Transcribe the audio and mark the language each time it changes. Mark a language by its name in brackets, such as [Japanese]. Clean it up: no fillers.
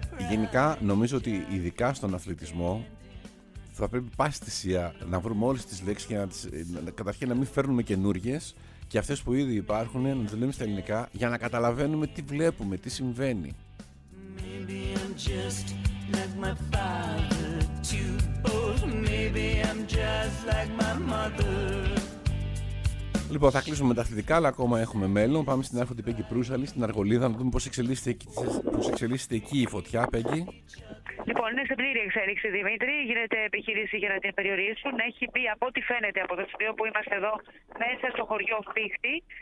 [Greek] Γενικά νομίζω ότι ειδικά στον αθλητισμό θα πρέπει πάση θυσία να βρούμε όλες τις λέξεις και να τις, καταρχήν να μην φέρνουμε καινούργιες και αυτές που ήδη υπάρχουν να τις λέμε στα ελληνικά για να καταλαβαίνουμε τι βλέπουμε, τι συμβαίνει. [English] Maybe I'm just like my father, too old. Maybe I'm just like my mother. [Greek] Λοιπόν, θα κλείσουμε με τα αθλητικά, αλλά ακόμα έχουμε μέλλον. Πάμε στην άρχοντη Πέγκη Προύσαλη, στην Αργολίδα, να δούμε πώς εξελίσσεται εκεί η φωτιά, Πέγκη. Λοιπόν, είναι σε πλήρη εξέλιξη, Δημήτρη. Γίνεται επιχείρηση για να την περιορίσουν. Έχει μπει, από ό,τι φαίνεται, από το σημείο που είμαστε εδώ, μέσα στο χωριό Φίχτη.